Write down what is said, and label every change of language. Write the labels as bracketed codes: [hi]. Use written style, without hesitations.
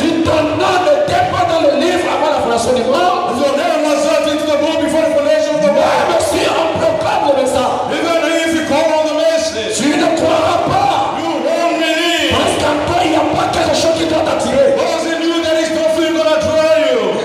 [fr] si ton nom n'était pas dans le livre avant la fondation du monde, [en] if your name was not into the book before the foundation of the world, [fr] même si on proclame le message, [en] even if you call on the message, [fr] tu ne croiras pas. [en] You won't believe. [fr] Parce qu'en toi, il n'y a pas quelque chose qui doit t'attirer. [en] Because in you, there is nothing going to draw you.